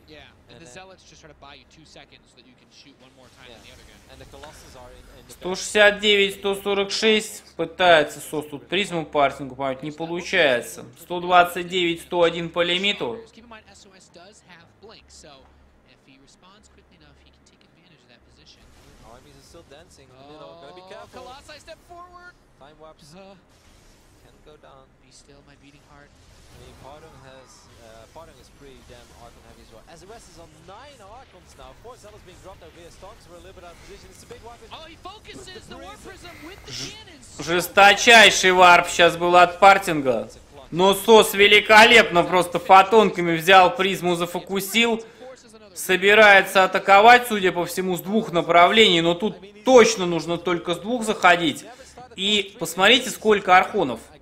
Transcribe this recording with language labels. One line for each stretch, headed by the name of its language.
English: Yeah, and the Zealots just try to buy you 2 seconds so that you can shoot one more time than the other guy. And the Colossus are in the
Russian: 169-146 пытается СОС тут призму парсингу помнить, не получается. 129-101 по лимиту.
English: Keep in mind, SOS does have Blink, so if he responds quickly enough, he can take advantage of that position. Armies are still dancing, you know, gotta be careful. Colossi step forward! Time warps. Can go down. Be still, my beating heart. I mean, Pardon has, Pardon is pretty damn Archon heavy as well. As the rest is on 9 Archons now. 4 Zealots being dropped out via Stonks. We're a little bit out of position. It's a big warp. Oh, he focuses the Warp Prism with the cannons.
Russian: Жесточайший варп сейчас был от Партинга. Но СОС великолепно просто фотонками взял призму, зафокусил. Собирается атаковать, судя по всему, с двух направлений. Но тут точно нужно только с двух заходить. И посмотрите, сколько архонов.